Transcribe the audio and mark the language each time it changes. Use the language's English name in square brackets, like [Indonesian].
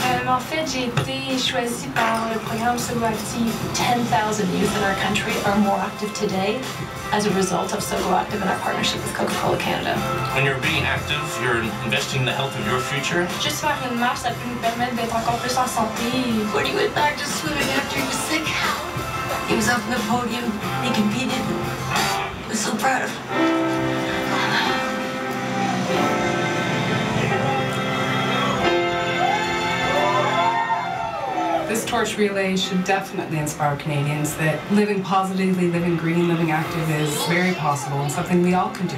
[French] En fait, j'ai été choisie par le programme Sogo Active. [English] 10,000 youth in our country are more active today as a result of Sogo Active and our partnership with Coca-Cola Canada. When you're being active, you're investing in the health of your future. [French] Juste faire une marche, ça peut nous permettre d'être encore plus en santé. [English] What are you with back to swimming after you're sick? He was up on the podium, he competed. I'm so proud of him. This torch relay should definitely inspire Canadians that living positively, living green, living active is very possible and something we all can do.